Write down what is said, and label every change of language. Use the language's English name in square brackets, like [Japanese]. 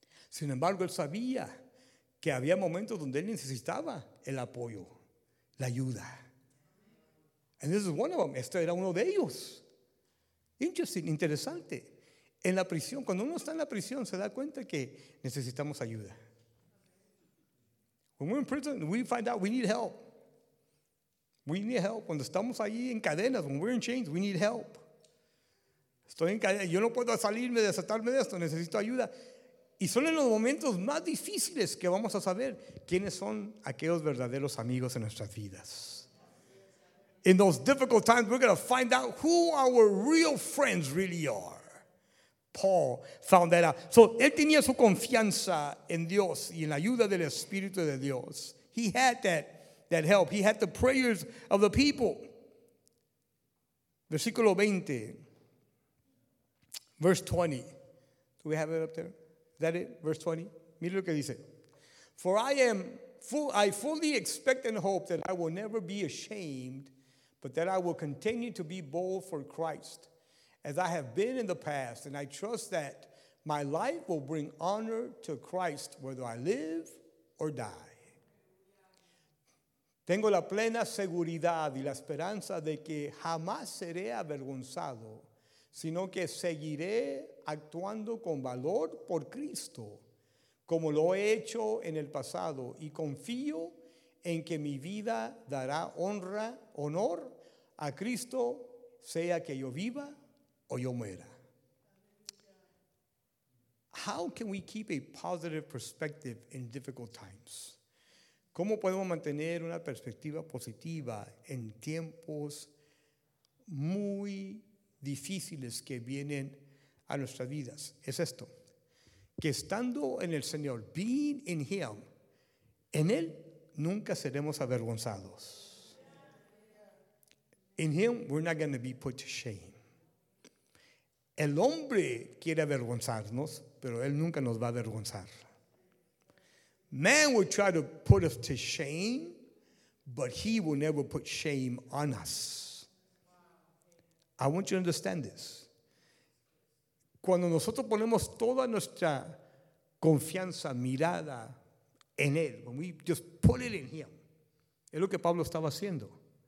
[Spanish] Sin embargo, él sabía que había momentos donde él necesitaba el apoyo, la ayuda. [English] And this is one of them. [Spanish] Este era uno de ellos. Interesting, interesante. En la prisión, cuando uno está en la prisión, se da cuenta que necesitamos ayuda. [English] When we're in prison, we find out we need help. We need help. [Spanish] Cuando estamos ahí en cadenas, [English] when we're in chains, we need help. [Spanish] Estoy en cadenas. Yo no puedo salirme, desatarme de esto. Necesito ayuda. Y son en los momentos más difíciles que vamos a saber quiénes son aquellos verdaderos amigos en nuestras vidas. [English] In those difficult times, we're going to find out who our real friends really are. Paul found that out. [Spanish] So, él tenía su confianza en Dios y en la ayuda del Espíritu de Dios. [English] He had that help. He had the prayers of the people. [Spanish] Versículo 20. [English] Verse 20. Do we have it up there? Is that it? Verse 20? [Spanish] Mire lo que dice. [English] For I fully expect and hope that I will never be ashamed, but that I will continue to be bold for Christ as I have been in the past. And I trust that my life will bring honor to Christ whether I live or die. [Spanish] Tengo la plena seguridad y la esperanza de que jamás seré avergonzado, sino que seguiré actuando con valor por Cristo, como lo he hecho en el pasado, y confío en que mi vida dará honor a Cristo, sea que yo viva o yo muera. [English] How can we keep a positive perspective in difficult times? [Spanish] ¿Cómo podemos mantener una perspectiva positiva en tiempos difíciles? muy difíciles que vienen a nuestras vidas es esto: que estando en el Señor, [English] being in Him, [Spanish] en Él nunca seremos avergonzados. [English] In Him, we're not going to be put to shame. [Spanish] El hombre quiere avergonzarnos, pero Él nunca nos va a avergonzar. [English] Man will try to put us to shame, but He will never put shame on us. I want you to understand this. [Spanish] Cuando nosotros ponemos toda nuestra confianza, mirada en Él, [English] when we just put it in Him, [Spanish] es lo que Pablo estaba haciendo.